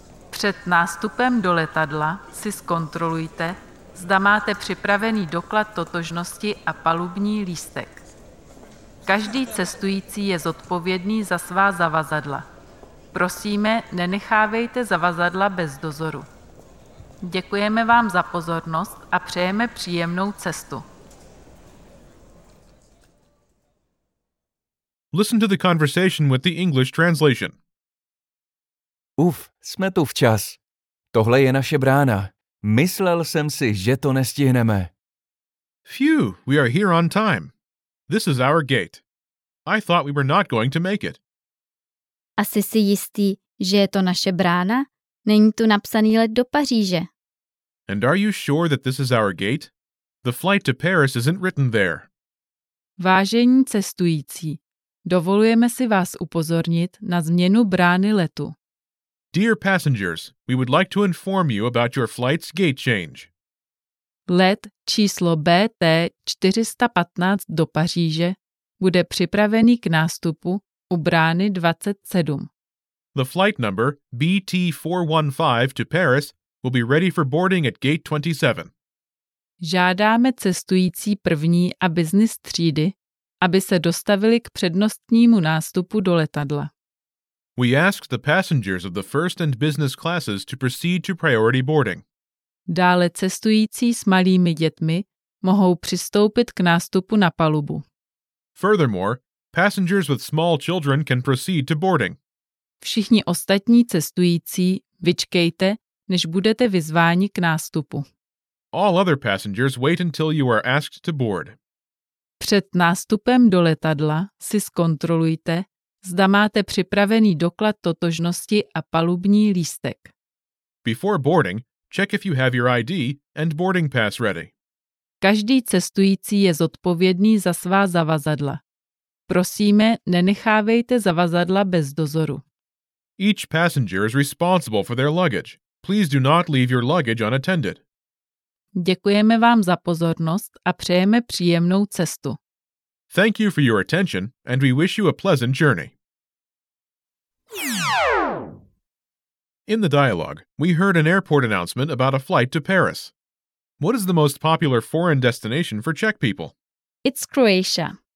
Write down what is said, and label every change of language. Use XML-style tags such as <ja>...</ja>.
<cs>Před nástupem do letadla si zkontrolujte, zda máte připravený doklad totožnosti a palubní lístek. Každý cestující je zodpovědný za svá zavazadla. Prosíme, nenechávejte zavazadla bez dozoru. Děkujeme vám za pozornost a přejeme příjemnou cestu.</cs> <en>Listen to the conversation with the English translation.</en> <cs>Uf, jsme tu včas. Tohle je naše brána. Myslel jsem si, že to nestihneme.</cs> <en>Phew, we are here on time. This is our gate. I thought we were not going to make it.</en> <cs>Asi jsi jistý, že je to naše brána? Není tu napsaný let do Paříže.</cs> <en>And are you sure that this is our gate? The flight to Paris isn't written there.</en> <cs>Vážení cestující, dovolujeme si vás upozornit na změnu brány letu.</cs> <en>Dear passengers, we would like to inform you about your flight's gate change.</en> <cs>Let číslo BT415 do Paříže bude připravený k nástupu u brány 27.</cs> <en>The flight number BT415 to Paris will be ready for boarding at gate 27.</en> <cs>Žádáme cestující první a business třídy, aby se dostavili k přednostnímu nástupu do letadla.</cs> <en>We ask the passengers of the first and business classes to proceed to priority boarding.</en> <cs>Dále cestující s malými dětmi mohou přistoupit k nástupu na palubu.</cs> <en>Furthermore, passengers with small children can proceed to boarding.</en> <cs>Všichni ostatní cestující vyčkejte, než budete vyzváni k nástupu.</cs> <en>All other passengers wait until you are asked to board.</en> <cs>Před nástupem do letadla si zkontrolujte, zda máte připravený doklad totožnosti a palubní lístek.</cs> <en>Before boarding, check if you have your ID and boarding pass ready.</en> <cs>Každý cestující je zodpovědný za svá zavazadla. Prosíme, nenechávejte zavazadla bez dozoru.</cs> <en>Each passenger is responsible for their luggage. Please do not leave your luggage unattended.</en> <cs>Děkujeme vám za pozornost a přejeme příjemnou cestu.</cs> <en>Thank you for your attention and we wish you a pleasant journey. In the dialogue, we heard an airport announcement about a flight to Paris. What is the most popular foreign destination for Czech people? It's Croatia.</en>